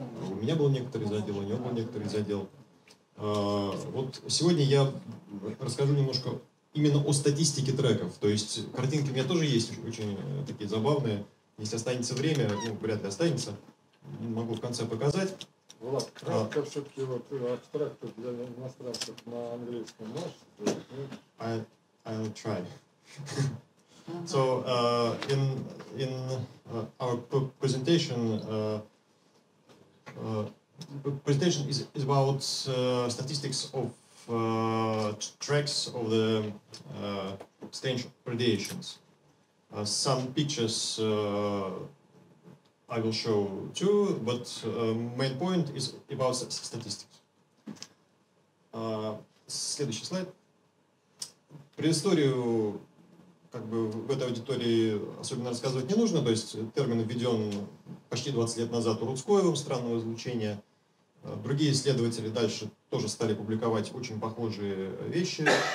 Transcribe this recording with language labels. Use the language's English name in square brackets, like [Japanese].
[Russian] У меня был некоторый задел, у него был некоторый задел. Вот сегодня я расскажу немножко именно о статистике треков. То есть картинки у меня тоже есть, очень такие забавные. Если останется время, ну, вряд ли останется, могу в конце показать. Влад, кратко все-таки вот абстракты для иностранцев на английском можешь? [English] I'll try. So in our presentation presentation is about statistics of tracks of the strange radiations. Some pictures I will show too, but main point is about statistics. [Russian] Следующий слайд. Предысторию как бы в этой аудитории особенно рассказывать не нужно, то есть термин введен почти 20 лет назад у Рудскоева, странного излучения. Другие исследователи дальше тоже стали публиковать очень похожие вещи.